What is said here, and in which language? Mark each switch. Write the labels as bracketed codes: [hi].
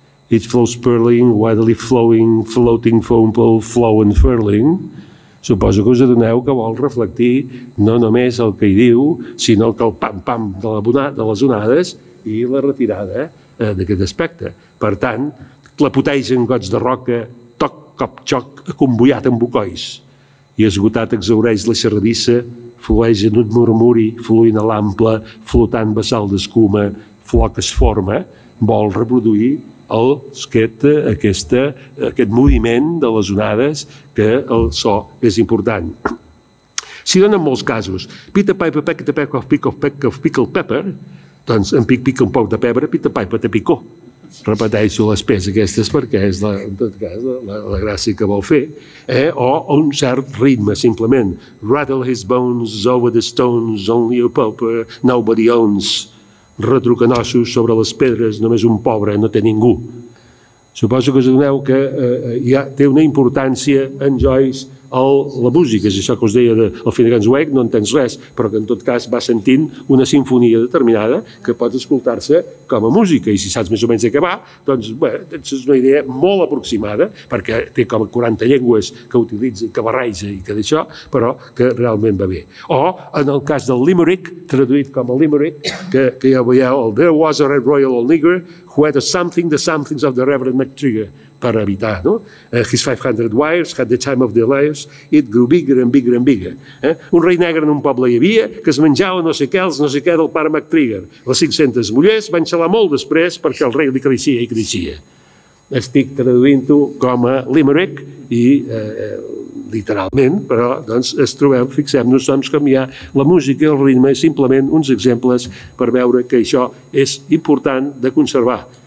[en] It flows purling, widely flowing, floating foam pole, flow and furling. [ca] Suposo que us adoneu que vol reflectir no només el que hi diu, sinó que el pam-pam de les onades i la retirada d'aquest aspecte. Per tant, clapoteja en gots de roca, toc, cop, xoc, acombollat amb bocois. I esgotat exaureix la xerradissa, flueix en un murmuri, fluint a l'ample, flotant basal d'escuma, floc es forma, vol reproduir aquest moviment de les onades, que el so és important. S'hi donen molts casos. Pita paipa peca peca pica peca pica el pepper, doncs en pic pica un poc de pebre, pita paipa te picó. Repeteixo les peces aquestes perquè és en tot cas la gràcia que vol fer. O un cert ritme, simplement. [en] Rattle his bones over the stones, only a pauper, nobody owns. [ca] Retrucant ossos sobre les pedres, només un pobre, no té ningú. Suposo que us adoneu que ja té una importància en Joyce la música, és això que us deia del Finnegan's Wake, no entens res, però que en tot cas va sentint una sinfonia determinada que pot escoltar-se com a música, i si saps més o menys de què va, doncs bé, és una idea molt aproximada, perquè té com 40 llengües que utilitza, que barreja i que d'això, però que realment va bé. O en el cas del Limerick, traduït com a Limerick, que ja veieu, el [en] There was a Red Royal Old Nigger who had a something, the somethings of the Reverend McTrigger. [ca] per habitar, no? [en] His 500 wives had the time of their lives, it grew bigger and bigger and bigger. [ca] Un rei negre en un poble hi havia que es menjava no sé què, els no sé què del pare MacTrigger. Les 500 mullers van xalar molt després perquè el rei li creixia i creixia. Estic traduint-ho com a limerick i literalment, però doncs es trobem, fixem-nos, doncs, com hi ha la música i el ritme, simplement uns exemples per veure que això és important de conservar.